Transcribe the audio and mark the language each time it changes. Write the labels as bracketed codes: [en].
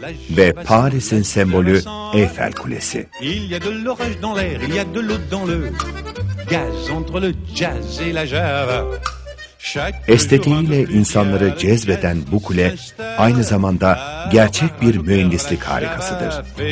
[tr] Ve Paris'in sembolü Eiffel Kulesi. [fr] Il y a de l'orage dans l'air, il y a de l'eau dans le gaz entre le jazz et la java. [tr] Estetiğiyle insanları cezbeden bu kule aynı zamanda gerçek bir mühendislik harikasıdır.